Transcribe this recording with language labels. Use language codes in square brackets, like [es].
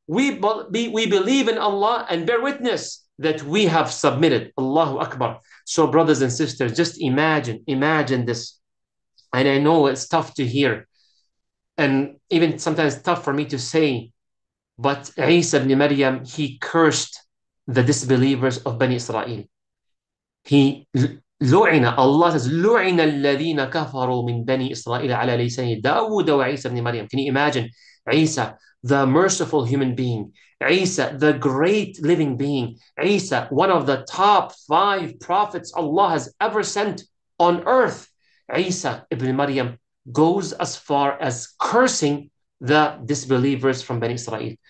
[en] We believe in Allah and bear witness that we have submitted. Allahu Akbar. So brothers and sisters, just imagine this. And I know it's tough to hear. And even sometimes tough for me to say, but Isa ibn Maryam, he cursed the disbelievers of Bani Israel. [ar] لُعِنَ [en] Allah says [ar] لُعِنَ الَّذِينَ كَفَرُوا مِن بَنِي إِسْرَائِيلَ عَلَى لِسَانِ دَاوُدَ وَعِيسَى ابْنِ مَرْيَمَ [en] Can you imagine? Isa, the merciful human being. Isa, the great living being. Isa, one of the top five prophets Allah has ever sent on earth. Isa ibn Maryam goes as far as cursing the disbelievers from Bani Israel.